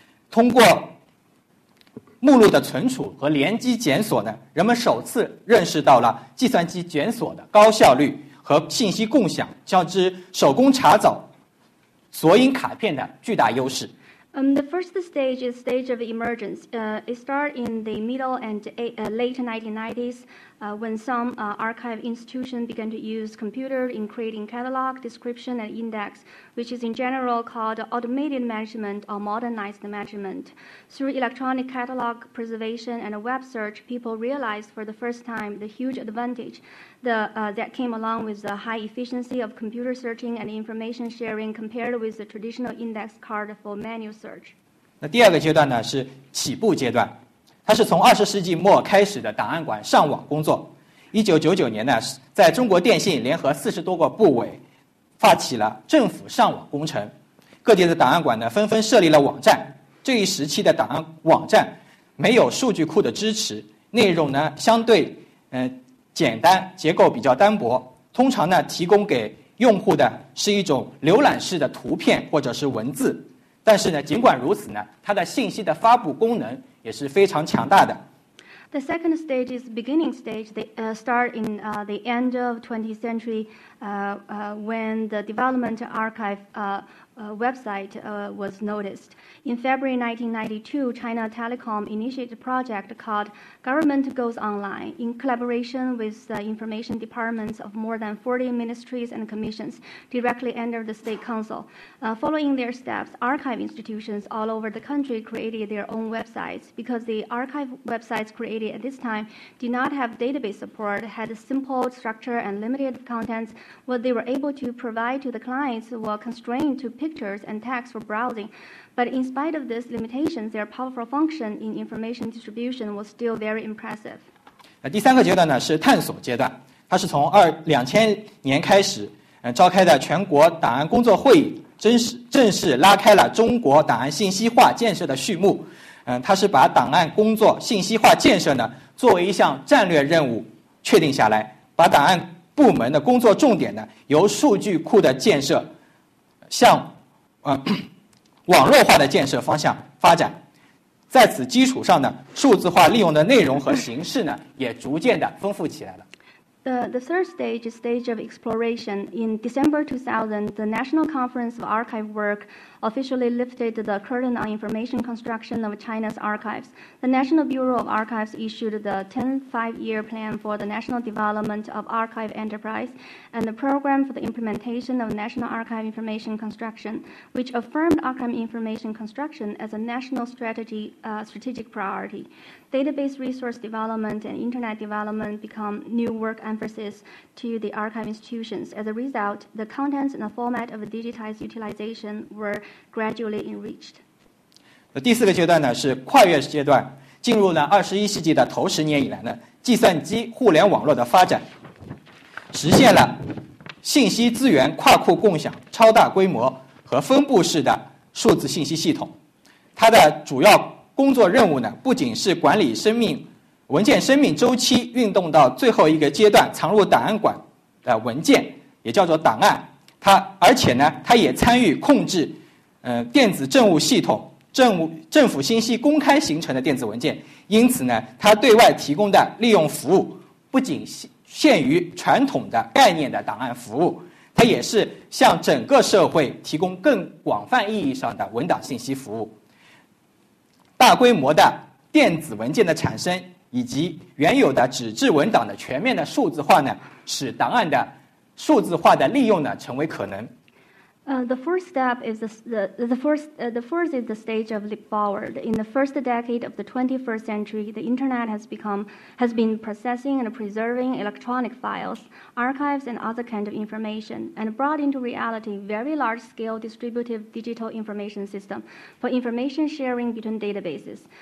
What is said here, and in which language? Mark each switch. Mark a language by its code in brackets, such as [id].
[zh] 通过目录的存储和联机检索呢，人们首次认识到了计算机检索的高效率和信息共享较之手工查找索引卡片的巨大优势。 [en] The first stage is stage of emergence. It started in the middle and late 1990s when some archive institutions began to use computer in creating catalog, description, and index, which is in general called automated management or modernized management. Through electronic catalog preservation and a web search, people realized for the first time the huge advantage that came along with the high efficiency of computer searching and information sharing compared with the traditional index card for manual search. [zh] 那第二个阶段呢是起步阶段，它是从20世纪末开始的档案馆上网工作。 1999年呢，在中国电信联合40多个部委，发起了政府上网工程，各地的档案馆呢纷纷设立了网站。这一时期的档案网站没有数据库的支持，内容呢相对简单，结构比较单薄，通常呢提供给用户的是一种浏览式的图片或者是文字，但是呢尽管如此呢，它的信息的发布功能也是非常强大的。 [en] The second stage is beginning stage. They start in the end of 20th century when the development archive website was noticed. In February 1992, China Telecom initiated a project called Government Goes Online in collaboration with the information departments of more than 40 ministries and commissions directly under the State Council. Following their steps, archive institutions all over the country created their own websites because the archive websites created at this time did not have database support, had a simple structure and limited contents. What they were able to provide to the clients were constrained to pictures and text for browsing. But in spite of these limitations, their powerful function in information distribution was still very impressive. [zh] 第三个阶段呢是探索阶段，它是从2000年开始，召开的全国档案工作会议正式拉开了中国档案信息化建设的序幕。它是把档案工作信息化建设呢作为一项战略任务确定下来，把档案部门的工作重点呢由数据库的建设向网络化的建设方向发展，在此基础上呢，数字化利用的内容和形式呢，也逐渐的丰富起来了。 [en] The third stage is stage of exploration. In December 2000, the National Conference of Archive Work officially lifted the curtain on information construction of China's archives. The National Bureau of Archives issued the 10-5-year plan for the national development of archive enterprise and the program for the implementation of national archive information construction, which affirmed archive information construction as a national strategic priority. Database resource development and internet development become new work emphasis to the archive institutions. As a result, the contents and the format of digitized utilization were gradually enriched. [zh] 第四个阶段呢是跨越阶段，进入了21世纪的头十年以来呢，计算机互联网络的发展，实现了信息资源跨库共享、超大规模和分布式的数字信息系统。它的主要工作任务呢，不仅是管理文件生命周期运动到最后一个阶段藏入档案馆的文件，也叫做档案。而且呢，它也参与控制，电子政务系统、政府信息公开形成的电子文件。因此呢，它对外提供的利用服务不仅限于传统的概念的档案服务，它也是向整个社会提供更广泛意义上的文档信息服务。大规模的电子文件的产生，以及原有的纸质文档的全面的数字化呢，使档案的数字化的利用呢成为可能。 [en] The first is the stage of leap forward. In the first decade of the 21st century, the internet has been processing and preserving electronic files, archives, and other kinds of information, and brought into reality very large scale distributive digital information system for information sharing between databases.